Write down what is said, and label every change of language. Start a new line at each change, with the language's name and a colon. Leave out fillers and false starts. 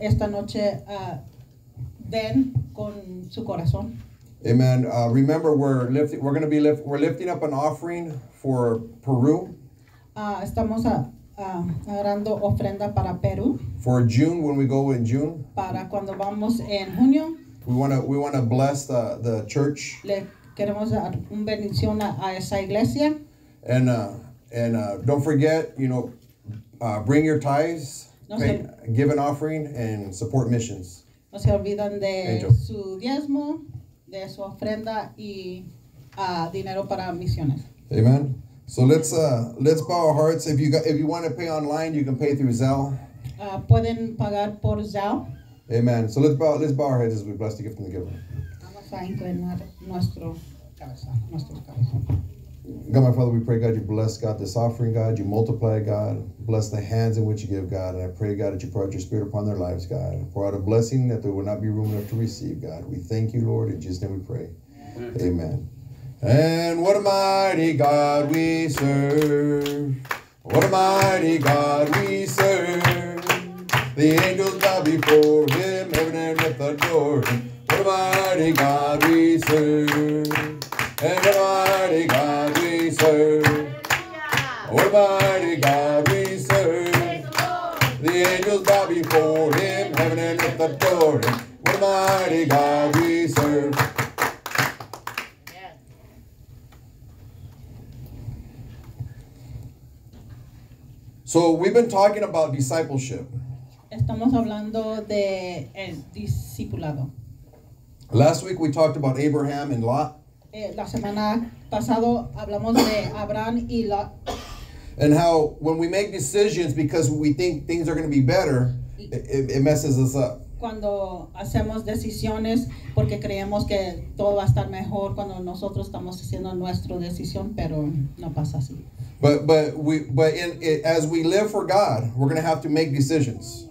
Spanish: Esta noche, den con su corazón.
English: Amen. Remember, we're lifting up an offering for Peru.
Spanish: Estamos agarrando ofrenda para Perú.
English: For June, when we go in June.
Spanish: Para cuando vamos en junio.
English: We wanna bless the church.
Spanish: Le queremos dar un bendición a esa iglesia.
English: And don't forget, you know, bring your tithes, give an offering, and support missions.
Spanish: No se olviden de su diezmo, de su ofrenda, y dinero para misiones.
English: Amen. So let's bow our hearts. If you want to pay online, you can pay through Zelle.
Spanish: Pueden pagar por Zelle.
English: Amen. So let's bow our heads as we bless the gift and the giver.
Spanish: Vamos a inclinar nuestros cabezas.
English: God, my Father, we pray, God, you bless, God, this offering, God. You multiply, God. Bless the hands in which you give, God. And I pray, God, that you pour out your spirit upon their lives, God. Pour out a blessing that there will not be room enough to receive, God. We thank you, Lord. In Jesus' name we pray. Amen. Amen. And what a mighty God we serve. What a mighty God we serve. The angels bow before him, heaven and earth adore him. What a mighty God we serve. And what a mighty God we serve. What a mighty God we serve. The angels bow before him, heaven and earth adore him. What a mighty God we serve. So we've been talking about discipleship.
Spanish: Estamos hablando de el discipulado.
English: Last week we talked about Abraham and Lot.
Spanish: La semana pasado hablamos de Abraham y Lot.
English: And how when we make decisions because we think things are going to be better, it messes us up.
Spanish: Cuando hacemos decisiones porque creemos que todo va a estar mejor cuando nosotros estamos haciendo nuestra decisión, pero no pasa así.
English: But as we live for God, we're going to have to make decisions.